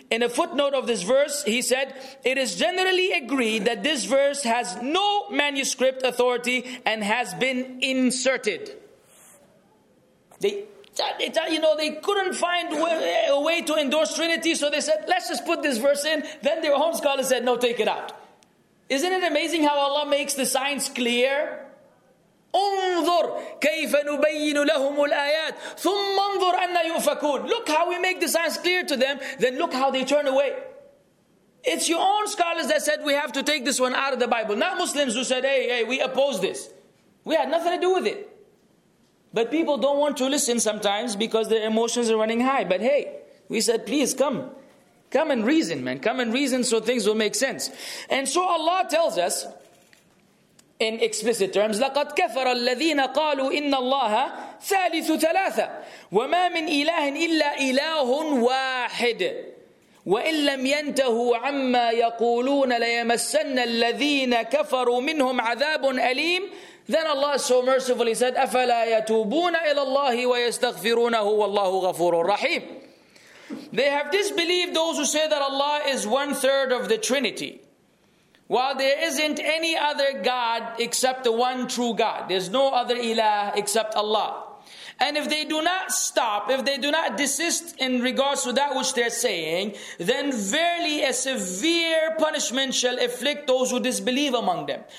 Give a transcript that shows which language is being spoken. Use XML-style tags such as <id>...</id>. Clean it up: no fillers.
<en>In a footnote of this verse, he said, "It is generally agreed that this verse has no manuscript authority and has been inserted." They couldn't find a way to endorse Trinity, so they said, "Let's just put this verse in." Then their own scholar said, "No, take it out." Isn't it amazing how Allah makes the signs clear?</en> <ar>انظر كيف نبين لهم الآيات ثم انظر أن يؤفكون.</ar> <en>Look how we make the signs clear to them, then look how they turn away. It's your own scholars that said we have to take this one out of the Bible, not Muslims who said, hey, we oppose this. We had nothing to do with it. But people don't want to listen sometimes because their emotions are running high. But hey, we said, please come. Come and reason, man. Come and reason so things will make sense. And so Allah tells us, in explicit terms,</en> <ar>لَقَدْ كَفَرَ الَّذِينَ قَالُوا إِنَّ اللَّهَ ثَالِثُ ثَلَاثَةٌ وَمَا مِنْ إِلَهٍ إِلَّا إِلَهٌ وَاحِدٌ وَإِنْ لَمْ يَنْتَهُوا عَمَّا يَقُولُونَ لَيَمَسَّنَّ الَّذِينَ كَفَرُوا مِنْهُمْ عَذَابٌ أَلِيمٌ.</ar> <en>Then Allah so mercifully said,</en> <ar>أَفَلَا يَتُوبُونَ إِلَى اللَّهِ وَيَسْتَغْفِرُونَهُ وَاللَّهُ غَفُورٌ رَحِيمٌ.</ar> <en>They have disbelieved those who say that Allah is one third of the Trinity, while there isn't any other God except the one true God. There's no other ilah except Allah. And if they do not stop, if they do not desist in regards to that which they're saying, then verily a severe punishment shall afflict those who disbelieve among them.</en>